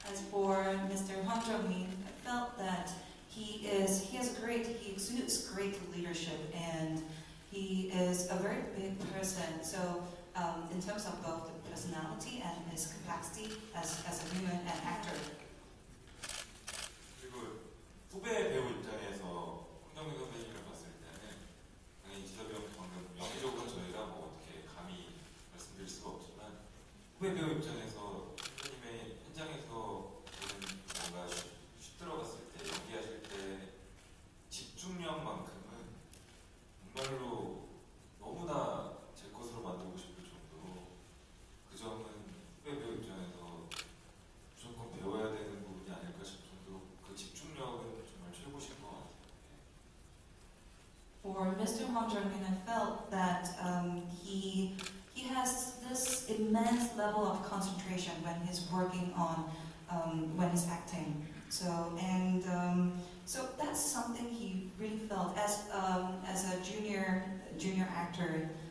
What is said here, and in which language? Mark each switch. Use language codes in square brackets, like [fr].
[en] 황정민, I felt that he exudes great leadership, and he is a very big person. So, in terms of both the personality and his capacity as a human and actor. [ko] 그리고 후배 배우 입장에서 황정민 선배님을 봤을 때는 당연히 지섭이 형 방금 연기적으로 저희가 뭐 어떻게 감히 말씀드릴 수가 없지만 후배 배우 입장에서 선배님의 현장에서 뭔가 슛 들어갔을 때, 연기하실 때 집중력만큼은 정말로 너무나 제 것으로 만들고 싶을 정도로 그 점은 후배 배우 입장에서 무조건 배워야 되는 부분이 아닐까 싶을 정도로 그 집중력은 정말 최고신 것 같아요. [en] For Mr. Hwang Jung-hyun, I felt that he has this immense level of concentration when he's working on when he's acting, so that's something he really felt as a junior actor.